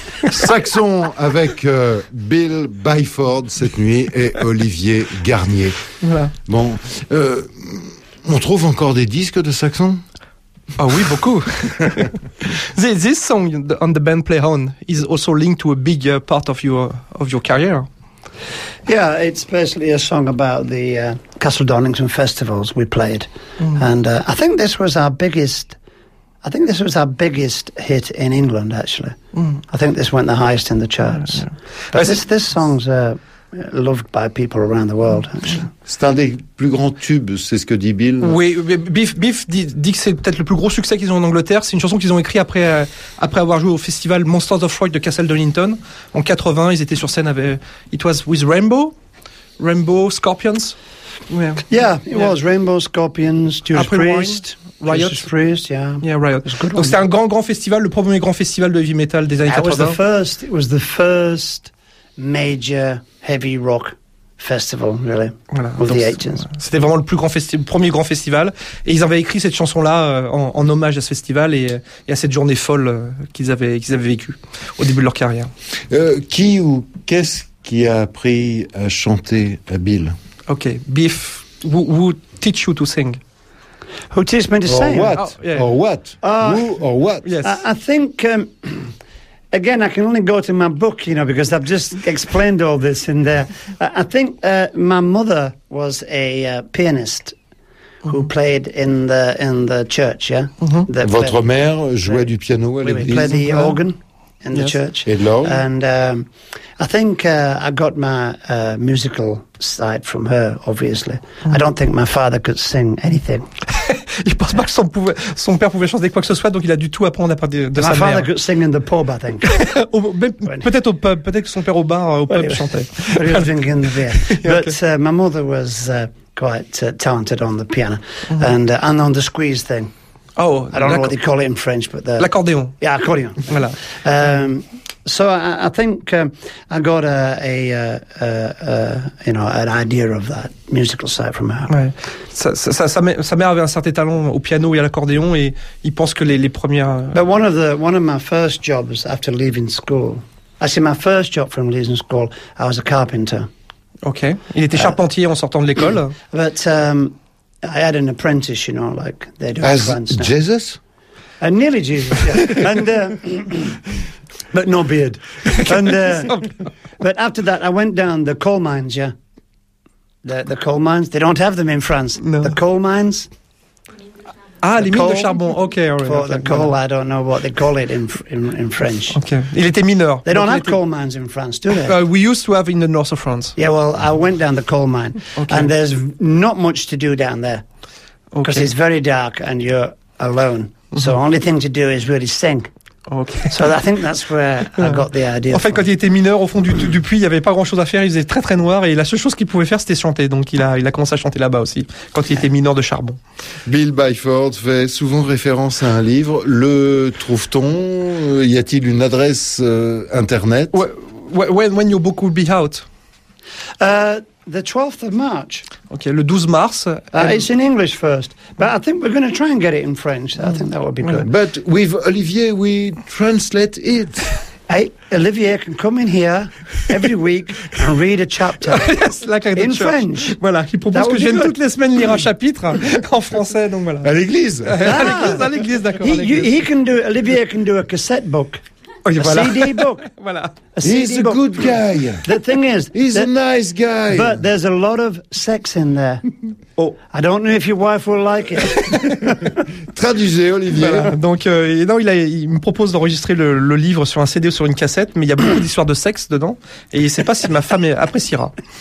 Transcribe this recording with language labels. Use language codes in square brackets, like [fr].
[fr] Saxon avec Bill Byford cette nuit et Olivier Garnier. Voilà. Bon, on trouve encore des disques de Saxon ? Ah oui, beaucoup. [en] This song on the band Play On is also linked to a big part of your career. Yeah, it's basically a song about the Castle Donington festivals we played. Mm. And I think this was our biggest... I think this was our biggest hit in England, actually. Mm. I think this went the highest in the charts. Yeah. But this song's loved by people around the world, actually. [fr] C'est un des plus grands tubes, c'est ce que dit Bill. Oui, Biff dit que c'est peut-être le plus gros succès qu'ils ont en Angleterre. C'est une chanson qu'ils ont écrite après avoir joué au festival Monsters of Rock de Castle Donington. En 80, ils étaient sur scène avec... [en] It was with Rainbow, Scorpions. Yeah, it was Rainbow, Scorpions, Judas Priest... Riot. Riot. [fr] Donc c'était un grand festival, le premier grand festival de heavy metal des années 80. [en] It was the first major heavy rock festival, really. [fr] Voilà. C'était vraiment le premier grand festival. Et ils avaient écrit cette chanson-là en hommage à ce festival et à cette journée folle qu'ils avaient vécue au début de leur carrière. Qui ou qu'est-ce qui a appris à chanter à Bill? [en] Ok, Biff, who teach you to sing? Who teaches me to sing? Or what? Yes. I think, again, I can only go to my book, you know, because I've just explained all this in there. I think my mother was a pianist who played in the church, yeah? [fr] Mm-hmm. Votre mère jouait du piano à l'église? [en] We played the organ in the church. [fr] Et l'orgue? [en] And I think I got my musical side from her, obviously. Mm-hmm. I don't think my father could sing anything. [fr] Il pense pas que son père pouvait chanter quoi que ce soit, donc il a du tout apprendre à part de sa mère. [en] My father could sing in the pub, I think. [fr] peut-être au pub, peut-être que son père au pub chantait. [en] But he was drinking in the beer. But my mother was quite talented on the piano. Mm-hmm. And on the squeez thing. Oh, I don't know what they call it in French, but the... [fr] L'accordéon. [en] Yeah, accordéon. [fr] Voilà. [en] So I think I got an idea of that musical side from her. [fr] Ouais. Sa mère avait un certain talent au piano et à l'accordéon, et il pense que les premières. [en] But one of my first jobs after leaving school, my first job from leaving school, I was a carpenter. [fr] Okay. Il était charpentier en sortant de l'école. [en] But I had an apprentice, you know, like they do as friends, no. Jesus. And nearly Jesus, yeah. And but no beard. And but after that, I went down the coal mines, yeah. The coal mines, they don't have them in France. No. The coal mines. [fr] Ah, les mines de charbon, okay. [en] For the coal, I don't know what they call it in French. [fr] Okay. Il était mineur. [en] They don't have coal mines in France, do they? We used to have in the north of France. Yeah, well, I went down the coal mine. Okay. And there's not much to do down there. Okay. Because it's very dark and you're alone. Mm-hmm. So the only thing to do is really sing. Okay. So I think that's where I got the idea. [fr] En fait, quand il était mineur, au fond du puits, il n'y avait pas grand-chose à faire. Il faisait très très noir, et la seule chose qu'il pouvait faire, c'était chanter. Donc, il a commencé à chanter là-bas aussi, quand il était mineur de charbon. Bill Byford fait souvent référence à un livre. Le trouve-t-on ? Y a-t-il une adresse internet ? [en] When your book will be out ? The 12th of March. [fr] OK, le 12 mars. [en] It's in English first. But I think we're going to try and get it in French. I think that would be good. But with Olivier, we translate it. Hey, Olivier can come in here every week and read a chapter. Yes, like in French. [fr] Voilà, il propose que je vienne toutes les semaines lire un chapitre en français, donc voilà. À l'église. À l'église, d'accord. [en] Olivier can do a cassette book. [fr] Voilà. [en] A CD book. [fr] Voilà. [en] He's a good guy. The thing is... He's a nice guy. But there's a lot of sex in there. Oh. I don't know if your wife will like it. [fr] Traduisez, Olivier. Voilà. Donc, il me propose d'enregistrer le livre sur un CD ou sur une cassette, mais il y a beaucoup d'histoires de sexe dedans, et il ne sait pas si ma femme appréciera.